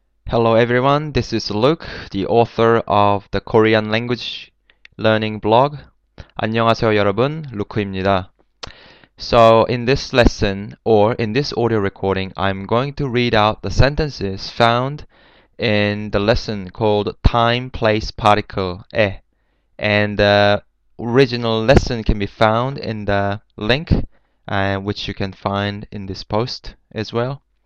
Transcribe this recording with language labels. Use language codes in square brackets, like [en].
[en] Hello everyone, this is Luke, the author of the Korean Language Learning Blog. [ko] 안녕하세요 여러분, 루크입니다. [en] So in this lesson, or in this audio recording, I'm going to read out the sentences found in the lesson called Time, Place, Particle, 에. And the original lesson can be found in the link, which you can find in this post as well.